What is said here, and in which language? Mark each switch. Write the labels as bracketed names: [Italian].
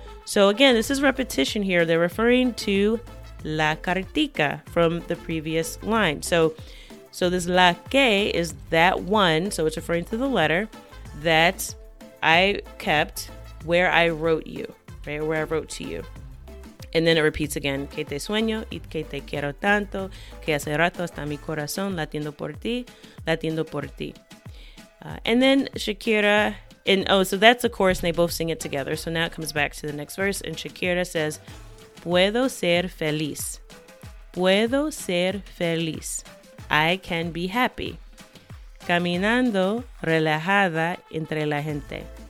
[English] So again, this is repetition here. They're referring to [Spanish] la cartica [English] from the previous line. So this [Spanish] la que [English] is that one. So it's referring to the letter that I kept where I wrote you, right? Where I wrote to you. And then it repeats again. [Spanish] Que te sueño y que te quiero tanto. Que hace rato está mi corazón latiendo por ti, latiendo por ti. [English] And then Shakira, so that's a chorus and they both sing it together. So now it comes back to the next verse and Shakira says, [Spanish] puedo ser feliz. Puedo ser feliz. [English] I can be happy. [Spanish] Caminando relajada entre la gente.